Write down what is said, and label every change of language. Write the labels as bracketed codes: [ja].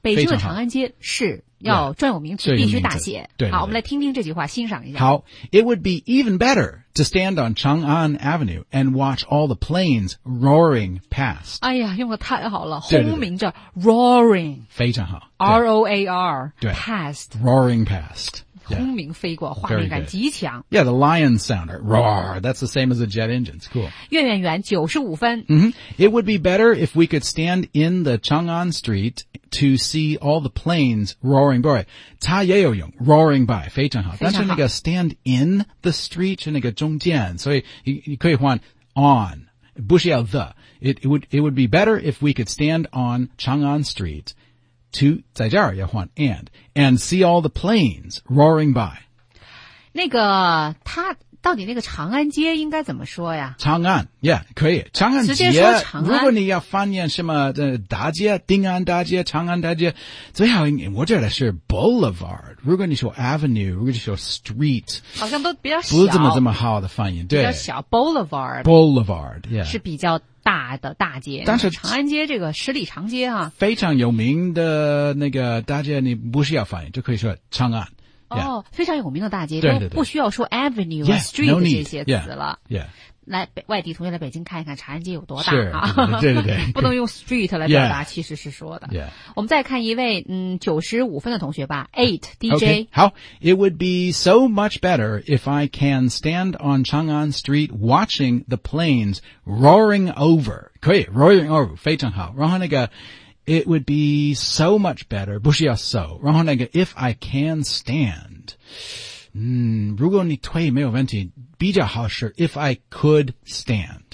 [zh] 北京的长安街是要专有名词， [en] yeah, [zh] 必须大写。对，好，我们来听听这句话，欣赏一下。 [en] 好 ，It would be even better to stand on Chang'an Avenue and watch all the planes roaring past。 [zh] 哎呀，用的太好了，轰鸣着 roaring，非常好。 [en] R O A R， [zh] 对 [en] ，past， roaring past。 [zh] 轰鸣飞过，画面感极强。 [en] Yeah, the lion sounder, roar. That's the same as a jet engine. It's cool. [zh] 院院员95分。 Mm-hmm. [en] It would be better if we could stand in the Chang'an Street to see all the planes roaring by. [zh] 它也有用 roaring by 非常好。但是那个 stand in the street 是那个中间，所以你可以换 on， 不需要 the。 [en] It would be better if we could stand on Chang'an Street. To 在这儿要换 and see all the planes roaring by。 [zh] 那个他到底那个长安街应该怎么说呀？长安 ，yeah， 可以。长安街直接说长安。如果你要翻译什么的大街、丁安大街、长安大街，最好我觉得是 boulevard。如果你说 avenue， 如果你说 street，好像都比较小，不怎么这么好的翻译，对，比较小 boulevard。 [en] boulevard， yeah， [zh] 是比较。大的大街，但是长安街这个十里长街啊，非常有名的那个大街，你不需要翻译就可以说长安。 [en] Yeah. [zh] 哦，非常有名的大街，对对对，不需要说 avenue、 [en] yeah, street、 no、 [zh] 这些词了。 [en] Yeah. Yeah. [zh] 来外地同学来北京看一看长安街有多大啊？对对对，不能用 street 来表达，其实是说的。 [en] Yeah. [zh] 我们再看一位95分的同学吧 ，8 DJ。 [en] Okay. 好 ，It would be so much better if I can stand on Chang'an Street watching the planes roaring over。 [zh] 可以 ，roaring over 非常好。然后那个 ， It would be so much better，不需要 so。然后那个 ， If I can stand。如果你腿没有问题，比较好是 if I could stand.